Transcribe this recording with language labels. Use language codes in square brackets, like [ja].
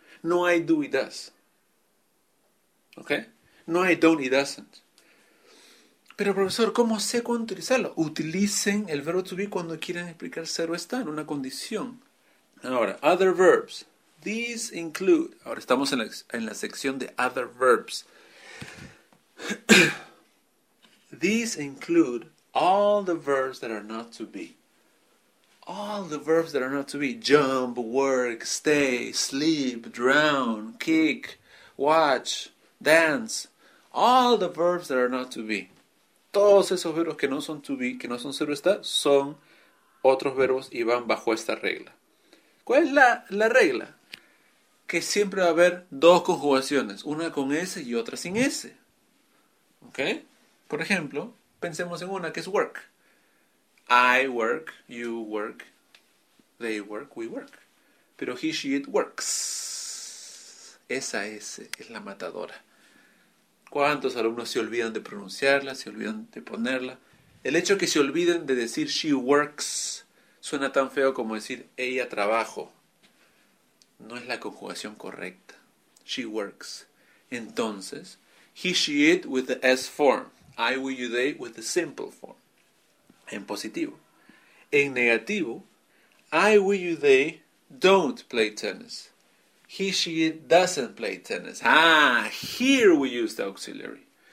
[es] No hay do y does. ¿Ok? No hay don't y doesn't. Pero profesor, ¿cómo sé cuándo utilizarlo? Utilicen el verbo to be cuando quieran explicar ser o estar, una condición. Ahora, [en] other verbs. These include... [es] Ahora estamos en la sección de other verbs. [en] These include all the verbs that are not to be. All the verbs that are not to be. Jump, work, stay, sleep, drown, kick, watch, dance. All the verbs that are not to be. [es] Todos esos verbos que no son to be, que no son ser o estar, son otros verbos y van bajo esta regla. ¿Cuál es la regla? Que siempre va a haber dos conjugaciones. Una con S y otra sin S. ¿Ok? Por ejemplo, pensemos en una que es work. [en] I work, you work, they work, we work. [es] Pero [en] he, she, it works. [es] Esa S es la matadora. ¿Cuántos alumnos se olvidan de pronunciarla, se olvidan de ponerla? El hecho que se olviden de decir [en] she works [es] suena tan feo como decir ella trabajo. No es la conjugación correcta. [en] She works. Entonces, he, she, it with the S form. I, we, you, they with the simple form. [es] En positivo. En negativo, [en] I, we, you, they don't play tennis. He, she, it doesn't play tennis. Ah, here we use the auxiliary.